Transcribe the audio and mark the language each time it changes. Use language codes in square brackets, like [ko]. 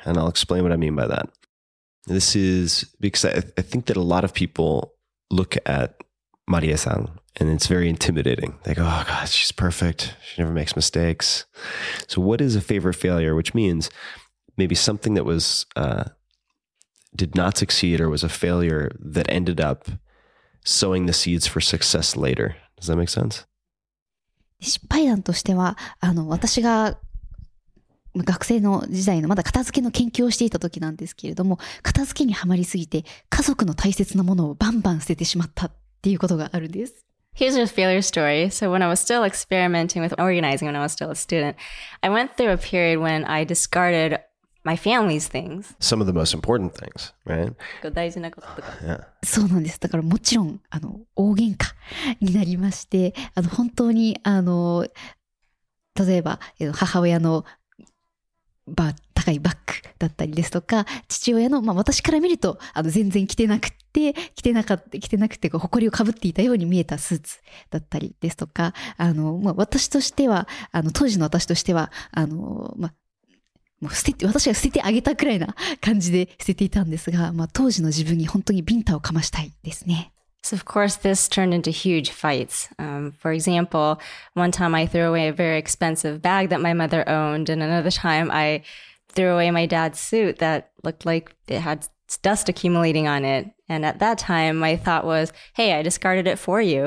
[en] And I'll explain what I mean by that. This is because I think that a lot of people look at Maria-san and it's very intimidating. They go, oh God, she's perfect. She never makes mistakes. So what is a favorite failure? Which means maybe something that was did not succeed or was a failure that ended up sowing the seeds for success later. Does that make sense? [ja] 失敗談としては、私が学生の時代のまだ片付けの研究をしていた時なんですけれども、片付けにはまりすぎて家族の大切なものをバンバン捨ててしまったっていうことがあるんです。 [en] Here's a failure story. So when I was still experimenting with organizing when I was still a student, I went through a period when I discarded my family's things. Some of the most important things, right? [ja] 結構大事なこととか。 [en] Yeah. [ja] そうなんです。だからもちろん大喧嘩になりまして、本当に例えば母親の高いバッグだったりですとか、父親の、まあ、私から見ると全然着てなくて、着てなくて、ほこりをかぶっていたように見えたスーツだったりですとか、まあ、私としては、当時の私としては、まあ、もう捨てて、私が捨ててあげたくらいな感じで捨てていたんですが、まあ、当時の自分に本当にビンタをかましたいですね。 [en] So of course this turned into huge fights. For example, one time I threw away a very expensive bag that my mother owned, and another time I threw away my dad's suit that looked like it had dust accumulating on it. And at that time my thought was, hey, I discarded it for you.